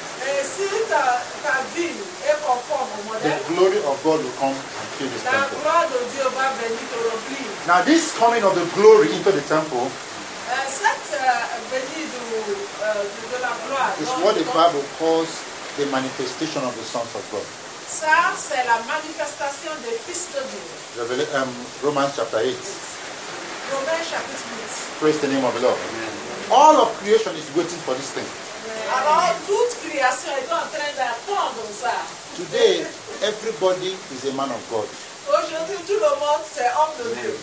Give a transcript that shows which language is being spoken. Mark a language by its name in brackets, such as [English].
[French] Et si ta vie est conforme au modèle. [English] The glory of God will come and fill this temple. [French] La gloire de Dieu va venir te remplir. [English] Now this coming of the glory into the temple. It's what the Bible calls the manifestation of the sons of God. [French] Ça, c'est la manifestation des fils de Dieu. [English] Romans chapter 8. Romans chapter 8. Praise the name of the Lord. Amen. All of creation is waiting for this thing. [French] Alors, toute création est en train d'attendre ça. [English] Today, everybody is a man of God. [French] Aujourd'hui, tout le monde est homme de Dieu.